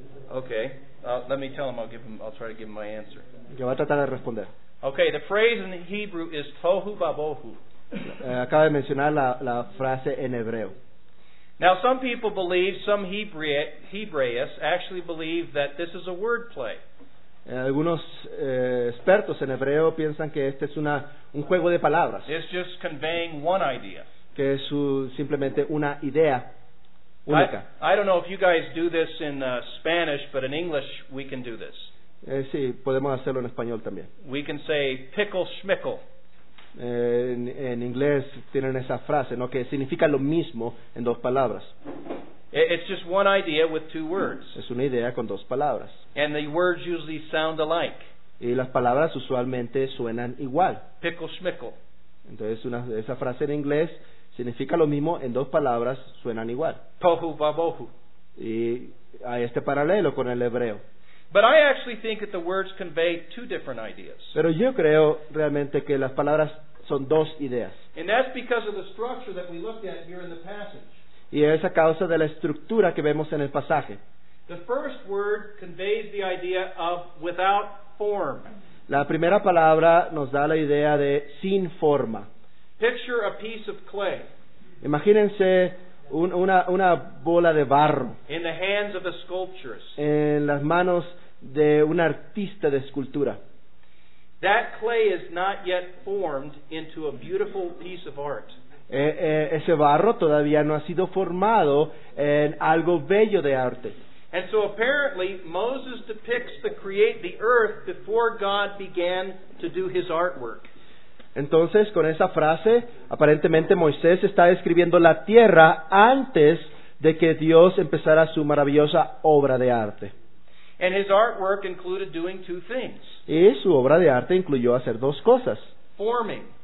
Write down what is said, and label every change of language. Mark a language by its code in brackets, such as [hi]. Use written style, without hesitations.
[en] Okay, let me tell him. I'll try to give him my answer. [es] Yo voy a tratar de responder. [en] Okay, the phrase in Hebrew is tohu babohu. [es] Acaba de mencionar la frase en hebreo. [en] Now, some people believe, some Hebraists actually believe that this is a word play. [es] Algunos expertos en hebreo piensan que este es un juego de palabras. [en] It's just conveying one idea. [es] Que es simplemente una idea única. [en] I don't know if you guys do this in Spanish, but in English we can do this. [es] Sí, podemos hacerlo en español también. [en] We can say pickle schmickle. [es] En inglés tienen esa frase, ¿no? Que significa lo mismo en dos palabras. [en] It's just one idea with two words. [es] Es una idea con dos palabras. [en] And the words usually sound alike. [es] Y las palabras usualmente suenan igual. [en] Pickle schmickle. [es] Entonces esa frase en inglés significa lo mismo en dos palabras, suenan igual. [he] Tohu babohu. [es] Y hay este paralelo con el hebreo. [en] But I actually think that the words convey two different ideas. [es] Pero yo creo realmente que las palabras son dos ideas. [en] And that's because of the structure that we looked at here in the passage. [es] Y es a causa de la estructura que vemos en el pasaje. [en] The first word conveys the idea of without form. [es] La primera palabra nos da la idea de sin forma. [en] Picture a piece of clay. [es] Imagínense una bola de barro. [en] In the hands of a sculptress. [es] En las manos de un artista de escultura. [en] That clay is not yet formed into a beautiful piece of art. [es] Ese barro todavía no ha sido formado en algo bello de arte. [en] And so apparently Moses depicts the earth before God began to do his artwork. [es] Entonces, con esa frase, aparentemente Moisés está describiendo la tierra antes de que Dios empezara su maravillosa obra de arte. [en] And his artwork included doing two things. [es] Y su obra de arte incluyó hacer dos cosas. [en] Forming.